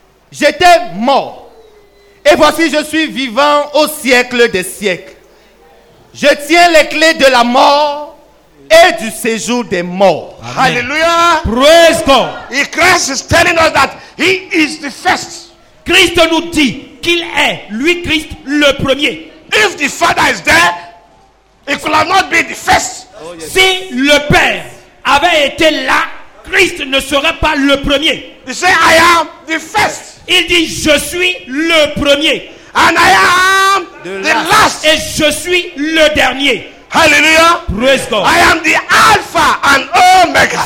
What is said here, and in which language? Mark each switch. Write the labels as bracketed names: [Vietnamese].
[French] J'étais mort. Et voici, je suis vivant au siècle des siècles. Je tiens les clés de la mort et du séjour des morts. Amen. Hallelujah. [English] Praise God. Christ is telling us that he is the first. [French] Christ nous dit qu'il est lui Christ le premier. [English] If the Father is there, he could have not been the first. Oh, yes. [French] Si le Père avait été là, Christ ne serait pas le premier. [English] He said, I am the first. [French] Il dit, je suis le premier. [English] And I am the last. [French] Et je suis le dernier. Hallelujah. [English] Praise God. I am the Alpha and Omega.